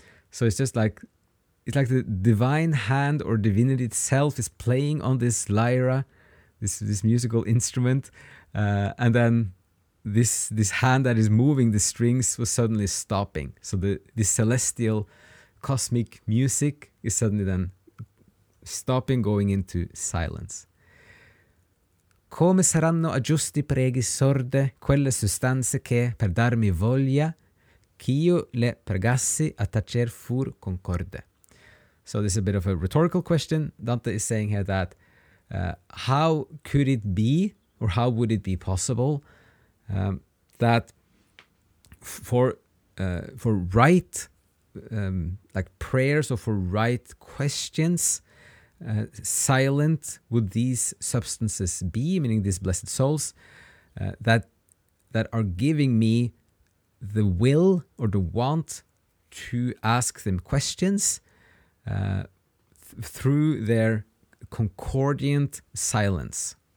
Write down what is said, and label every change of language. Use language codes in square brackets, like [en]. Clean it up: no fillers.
[en] So it's just like, it's like the divine hand or divinity itself is playing on this lyra, this musical instrument, and then this hand that is moving the strings was suddenly stopping. So the celestial cosmic music is suddenly then stopping, going into silence. [it] Come saranno aggiusti preghi sorde quelle sostanze che per darmi voglia ch'io le pregassi a tacer fur concorde. [en] So this is a bit of a rhetorical question. Dante is saying here that how could it be, or how would it be possible, that for right like prayers, or for right questions, silent would these substances be, meaning these blessed souls, that are giving me the will or the want to ask them questions through their concordant silence.